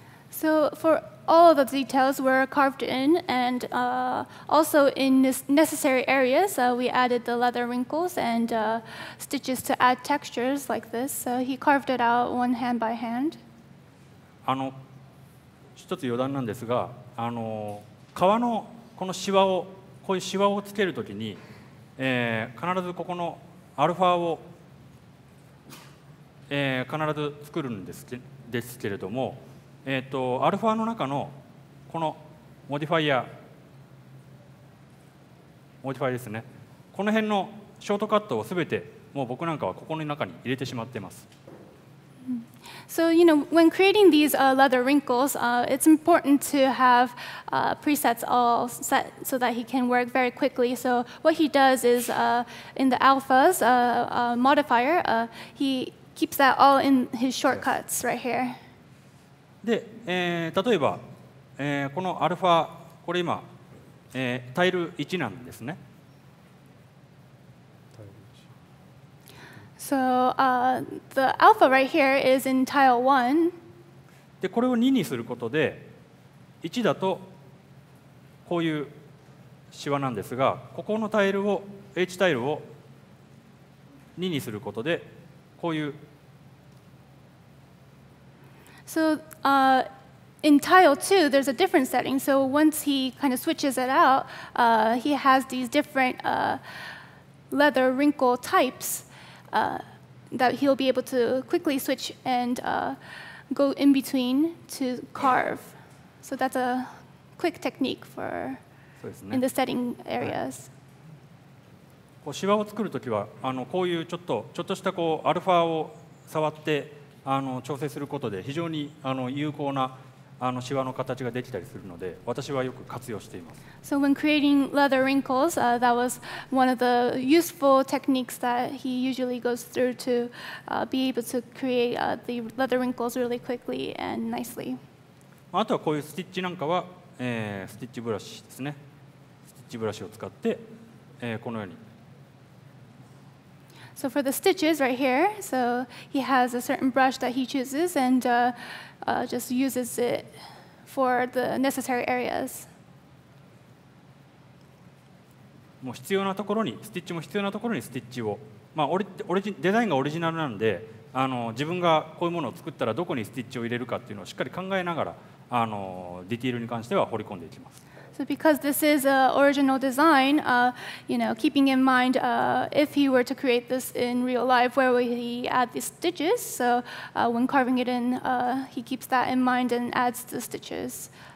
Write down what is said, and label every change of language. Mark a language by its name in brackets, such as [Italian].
[English] So forAll of the details were carved in, and also in necessary areas, we added the leather wrinkles and stitches to add textures like this. So he carved it out one hand by hand. [Japanese] 一つ余談なんですが、革のこのシワをこういうシワをつけるときに、必ずここのアルファを、必ず作るんですけ、ですけれども。アルファの中のこのモディファイヤーモディファイですねこの辺のショートカットをすべてもう僕なんかはここの中に入れてしまってます [English] So you know when creating these leather wrinkles it's important to have presets all set so that he can work very quickly so what he does is in the alphas modifier he keeps that all in his shortcuts right here [Japanese] で、例えば、このアルファこれ今、タイル1なんですね。 [English] So, the alpha right here is in tile 1. [Japanese] で、これを2にすることで1だとこういうシワなんですが、ここのタイルを H タイルを2にすることでこういう [English] So in tile 2, there's a different setting. So once he kind of switches it out, he has these different leather wrinkle types that he'll be able to quickly switch and go in between to carve. So that's a quick technique for in the setting areas. [Japanese] こうシワを作るときは、こういうちょっとしたこうアルファを触って調整することで非常に有効なあのシワの形ができたりするので、私はよく活用しています。 [English] So when creating leather wrinkles, that was one of the useful techniques that he usually goes through to be able to create the leather wrinkles really quickly and nicely. [Japanese] あとはこういうスティッチなんかは、スティッチブラシですね。スティッチブラシを使って、このように。 [English] So for the stitches right here, so he has a certain brush that he chooses and just uses it for the necessary areas. [Japanese] もう必要なところに、スティッチも必要なところにスティッチを。まあ、デザインがオリジナルなんで、あの、自分がこういうものを作ったらどこにスティッチを入れるかっていうのをしっかり考えながら、あの、ディティールに関しては彫り込んでいきます。 [English] So because this is an original design, you know, keeping in mind if he were to create this in real life, where would he add the stitches? So when carving it in, he keeps that in mind and adds the stitches.